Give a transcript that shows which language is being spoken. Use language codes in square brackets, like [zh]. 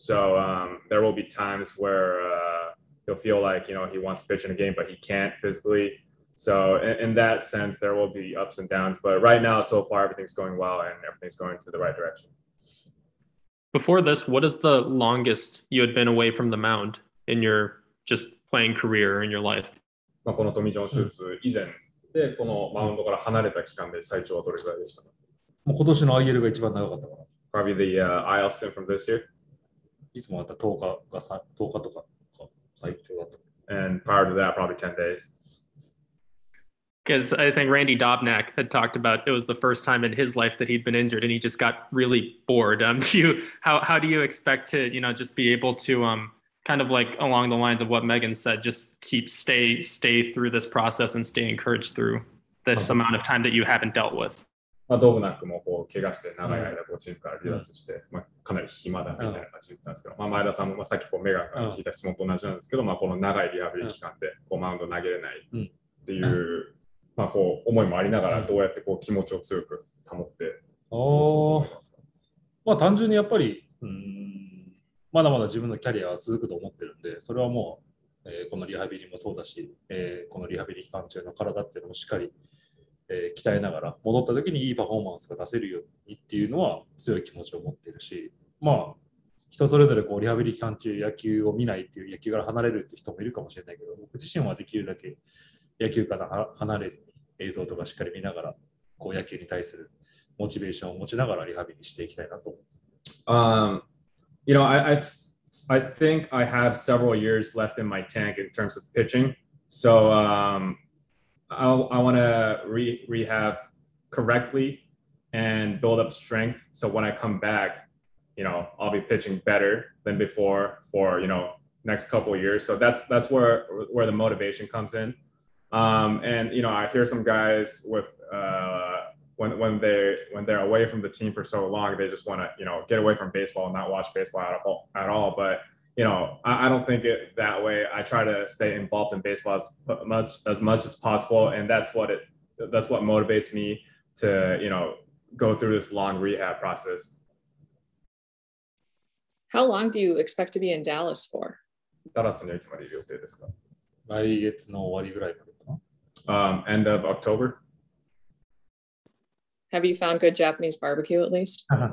[en] So there will be times where, he'll feel like, you know, he wants to pitch in a game, but he can't physically. So in that sense, there will be ups and downs, but right now, so far, everything's going well and everything's going to the right direction. Before this, what is the longest you had been away from the mound in your just playing career in your life? [ja] このトミジョン手術以前でこのマウンドから離れた期間で最長はどれくらいでしたか？もう今年の IL が一番長かったかな。 [en] Probably the IL stint from this year. [ja] いつもだったら10日とか最長だった。 [en] And prior to that, probably 10 days. Because I think Randy Dobnak had talked about it was the first time in his life that he'd been injured and he just got really bored. How do you expect to, you know, just be able to kind of like along the lines of what Megan said, just keep stay through this process and stay encouraged through this amount of time that you haven't dealt with? [ja] Dobnak もこう怪我して長い間こうチームから離脱して、まあかなり暇だみたいな感じで言ってたんですけど、まあ前田さんもまあさっきこうメガンから聞いた質問と同じなんですけど、まあこの長いリハビリ期間でこうマウンド投げれないっていう。まあ、こう思いもありながらどうやってこう気持ちを強く保って過ごそうと思いますか？まあ単純にやっぱりまだまだ自分のキャリアは続くと思ってるんで、それはもう、このリハビリもそうだし、このリハビリ期間中の体っていうのもしっかり、鍛えながら戻った時にいいパフォーマンスが出せるようにっていうのは強い気持ちを持ってるし、まあ人それぞれこうリハビリ期間中野球を見ないっていう、野球から離れるっていう人もいるかもしれないけど、僕自身はできるだけ野球から離れずに映像とかしっかり見ながらこう野球に対するモチベーションを持ちながらリハビリしていきたいなと思います。 [en] You know, I think I have several years left in my tank in terms of pitching. So I want to rehab correctly and build up strength. So when I come back, you know, I'll be pitching better than before for, you know, next couple of years. So that's where the motivation comes in. And you know, I hear some guys with when they're away from the team for so long, they just want to, you know, get away from baseball and not watch baseball at all. But you know, I don't think it that way. I try to stay involved in baseball as much as possible, and that's what motivates me to, you know, go through this long rehab process. How long do you expect to be in Dallas for? [ja] ダラスにいつまでいる予定ですか？来月の終わりぐらいまで。 [en] End of October. Have you found good Japanese barbecue at least?